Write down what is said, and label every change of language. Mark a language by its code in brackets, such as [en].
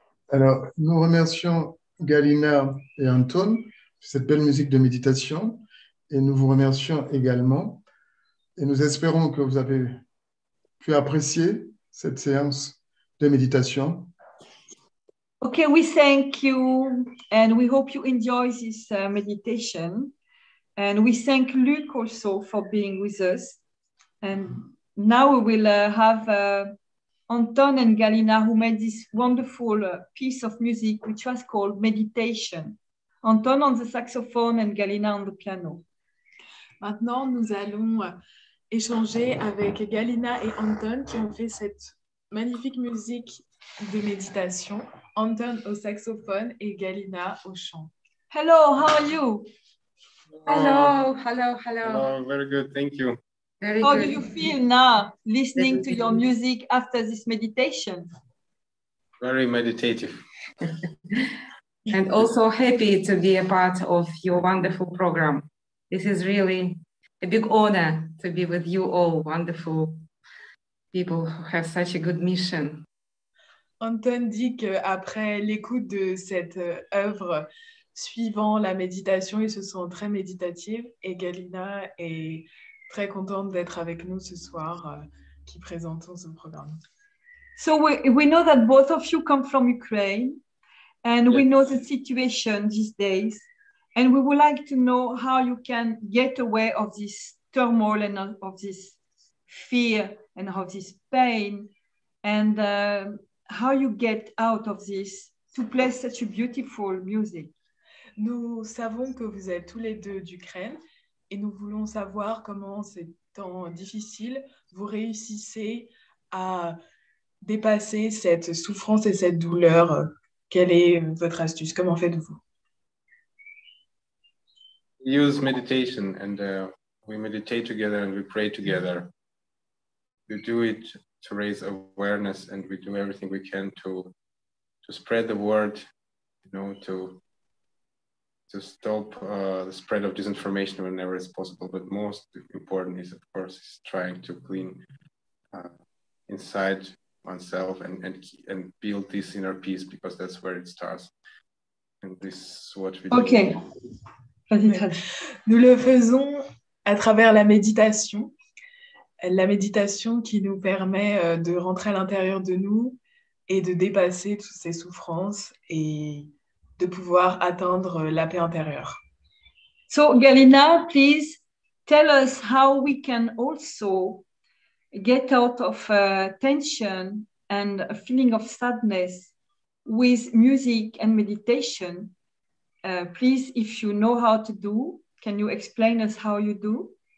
[fr] Alors, nous remercions Galina et Anton pour cette belle musique de méditation et nous vous remercions également et nous espérons que vous avez pu apprécier cette séance de méditation. [en] Okay, we thank you and we hope you enjoy this meditation. And we thank Luc also for being with us. And now we will have Anton and Galina who made this wonderful piece of music which was called Meditation. Anton on the saxophone and Galina on the piano. [fr] Maintenant, nous allons échanger avec Galina et Anton qui ont fait cette magnifique musique de méditation. Anton au saxophone et Galina au chant. [en] Hello, how are you? Hello. Very good, thank you. Very How good. Do you feel now listening to your music after this meditation? Very meditative. And also happy to be a part of your wonderful program. This is really a big honor to be with you all, wonderful people who have such a good mission. [fr] Anton dit qu'après l'écoute de cette œuvre, suivant la méditation, ils se sont très méditatifs et Galina est très contente d'être avec nous ce soir qui présentons ce programme. [en] So we know that both of you come from Ukraine and yes. We know the situation these days and we would like to know how you can get away of this turmoil and of this fear and of this pain and how you get out of this to play such a beautiful music. [fr] Nous savons que vous êtes tous les deux d'Ukraine et nous voulons savoir comment ces temps difficiles vous réussissez à dépasser cette souffrance et cette douleur. Quelle est votre astuce? Comment faites-vous? [en] We use meditation and we meditate together and we pray together. We do it to raise awareness and we do everything we can to spread the word, you know, to stop the spread of disinformation whenever it's possible. But most important is, of course, is trying to clean inside oneself and build this inner peace because that's where it starts. And this is what we do. Okay. [fr] Nous le faisons à travers la méditation. La méditation qui nous permet de rentrer à l'intérieur de nous et de dépasser toutes ces souffrances et de pouvoir atteindre la paix intérieure. [en] So, Galina, please tell us how we can also get out of tension and a feeling of sadness with music and meditation. Please, if you know how to do, can you explain us how you do?